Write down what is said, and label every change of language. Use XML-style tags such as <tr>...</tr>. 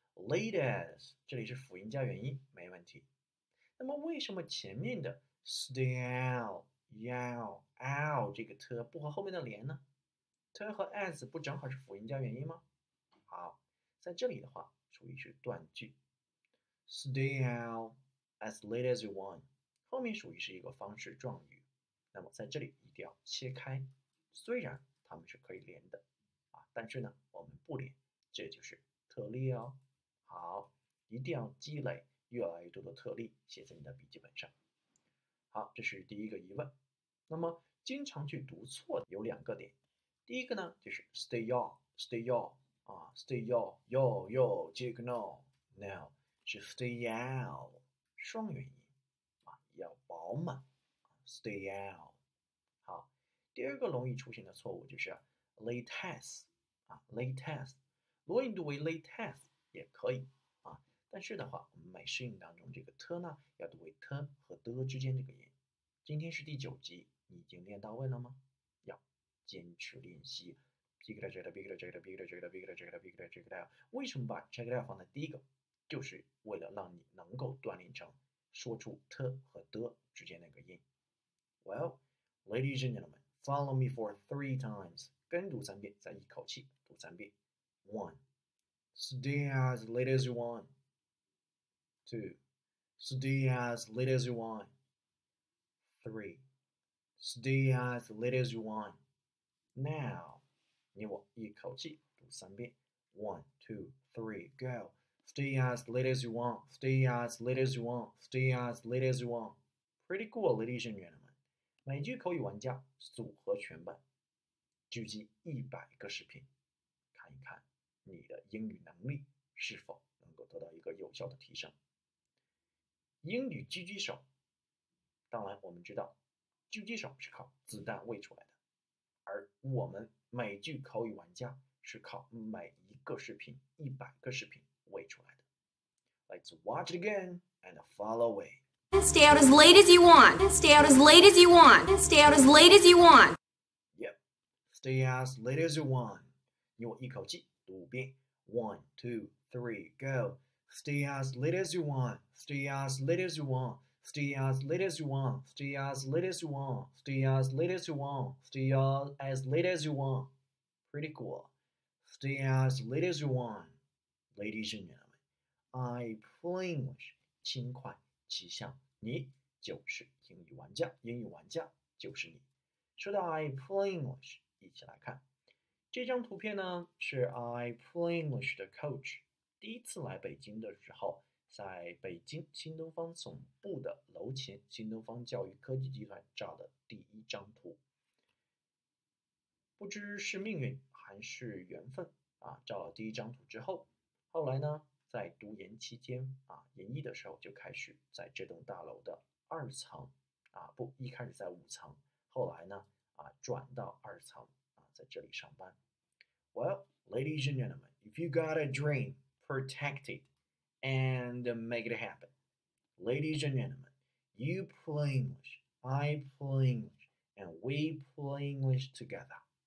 <zh>Late as 这里是辅音加元音，没问题。那么为什么前面的 stay out, yell, out 这个 t 不和后面的连呢？ t 和 as 不正好是辅音加元音吗？好，在这里的话属于是断句，</zh> <en>stay out as late as you want</en> <zh>后面属于是一个方式状语，那么在这里一定要切开，虽然它们是可以连的啊，但是呢我们不连，这就是特例哦。好，一定要积累越来越多的特例写在你的笔记本上。好，这是第一个疑问。那么经常去读错有两个点，第一个呢就是 stay out, stay out, 啊 stay out, yo, yo, jig, no, now 是 stay out 双元音啊，要饱满 stay out。好，第二个容易出现的错误就是 late as 啊 late as， 如果你读为 late as 也可以，但是的话我们每适应当中这个 t 呢要读为 t 和 d 之间这个音。今天是第九集，你已经练到位了吗？要坚持练习。</zh> <en>Pick it up, check it up, pick it up, check it up, pick it up, check it up, pick it up, check it up, pick it up, check it up.</en> <zh>为什么把 check it up 放在第一个，就是为了让你能够锻炼成说出 t 和 d 之间那个音。</zh> <en>Well, ladies and gentlemen, follow me for three times.</en> <zh>跟读三遍，再一口气读三遍。</zh> <en>One, stay as late as you want. Two, stay as late as you want. Three, stay as late as you want.</en> <zh>Now, 你我一口气读三遍。</zh> <en>One, two, three, go. Stay as late as you want. Stay as late as you want. Stay as late as you want. Pretty cool, ladies and gentlemen.</en> <zh>美剧口语玩家组合全版，聚集100个视频，看一看你的英语能力是否能够得到一个有效的提升。英语狙击手，当然我们知道狙击手是靠子弹喂出来的，而我们美剧口语玩家是靠每一个视频100个视频喂出来的。</zh> <en>Let's watch it again and follow away. Stay out as late as you want. Stay out as late as you want. Stay out as late as you want. Yep, stay as late as you want.</en> <zh>你我一口气读五遍。</zh> <en>One, two, three, go. Stay as late as you want. Stay as late as you want. Stay as late as you want. Stay as late as you want. Stay as late as you want. Stay as late as you want. Pretty cool. Stay as late as you want. Ladies and gentlemen, I play English.</en> <zh>轻快骑象，你就是英语玩家。英语玩家就是你。说到 I play English， 一起来看这张图片呢，是 I play English 的 coach 第一次来北京的时候，在北京新东方总部的楼前，新东方教育科技集团照的第一张图。不知是命运还是缘分啊，照了第一张图之后，后来呢，在读研期间啊，研一的时候就开始在这栋大楼的二层啊，不，一开始在五层，后来呢啊，转到二层啊，在这里上班。</zh> <en>Well, ladies and gentlemen, if you got a dream, protect it. And make it happen. Ladies and gentlemen, you play English, I play English, and we play English together.</en>